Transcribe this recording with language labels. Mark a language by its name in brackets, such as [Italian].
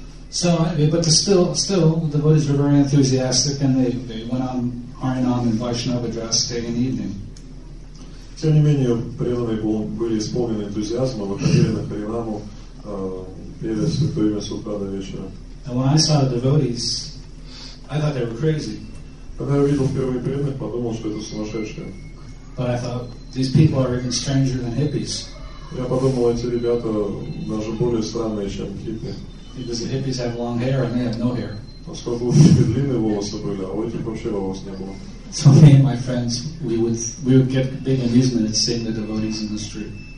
[English] So, but still, the devotees were very enthusiastic, and they went on Harinam and Vaishnava dress day and evening. [Russian] Тем не менее, преданные были исполнены энтузиазма, выходили на Харинаму, пели святое имя с утра до вечера. [English] And when I saw the devotees, I thought they were crazy. [Russian] Когда я увидел первые преданных, подумал, что это сумасшедшие. [English] But I thought, these people are even stranger than hippies. [Russian] Я подумал, эти ребята даже более странные, чем хиппи. [English] Because the hippies have long hair and they have no hair. [Russian] Поскольку у них длинные волосы были, а у этих вообще волос не было. [English] So me and my friends, we would get big amusement at seeing the devotees in the street.